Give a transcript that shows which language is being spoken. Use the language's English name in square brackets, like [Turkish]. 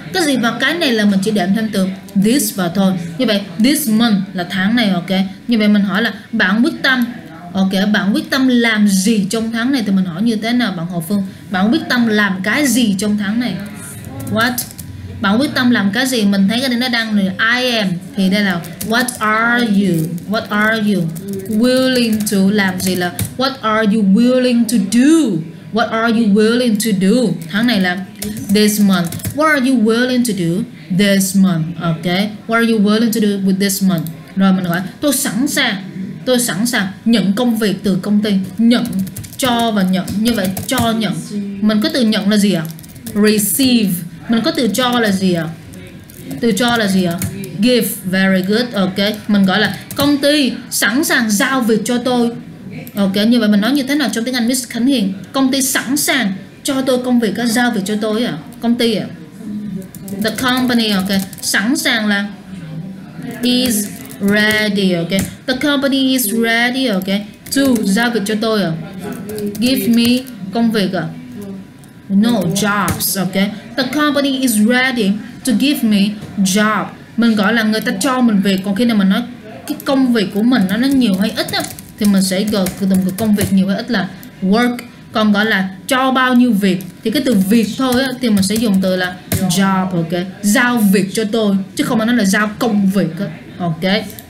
[Vietnamese] Cái gì vào cái này là mình chỉ đệm thêm từ this vào thôi. Như vậy this month là tháng này, ok. Như vậy mình hỏi là bạn quyết tâm, ok, bạn quyết tâm làm gì trong tháng này thì mình hỏi như thế nào bạn Hồ Phương? Bạn quyết tâm làm cái gì trong tháng này? What? Bạn quyết tâm làm cái gì? Mình thấy cái này nó đang là I am, thì đây là [English] what are you? What are you willing to [Vietnamese] làm gì là [English] what are you willing to do? What are you willing to do? [Vietnamese] Tháng này là [English] this month. What are you willing to do this month? Okay. What are you willing to do with this month? [Vietnamese] Rồi mình gọi tôi sẵn sàng nhận công việc từ công ty, nhận, cho và nhận. Như vậy cho nhận. Mình có từ nhận là gì ạ? Receive. Mình có từ cho là gì ạ? Từ cho là gì ạ? Give. Very good. Okay. Mình gọi là công ty sẵn sàng giao việc cho tôi. Ok, như vậy mình nói như thế nào trong tiếng Anh Miss Khánh Hiền? Công ty sẵn sàng cho tôi công việc, giao việc cho tôi à? Công ty à? [English] The company, ok. [Vietnamese] Sẵn sàng là [English] is ready, ok. The company is ready, ok. To, [Vietnamese] giao việc cho tôi à? [English] Give me [Vietnamese] công việc à? [English] No, jobs, ok. The company is ready to give me job. [Vietnamese] Mình gọi là người ta cho mình việc. Còn khi nào mình nói cái công việc của mình nó nhiều hay ít á, thì mình sẽ gọi từ từ công việc nhiều hay ít là work. Còn gọi là cho bao nhiêu việc thì cái từ việc thôi á, thì mình sẽ dùng từ là job, ok. Giao việc cho tôi chứ không phải nói là giao công việc á. Ok.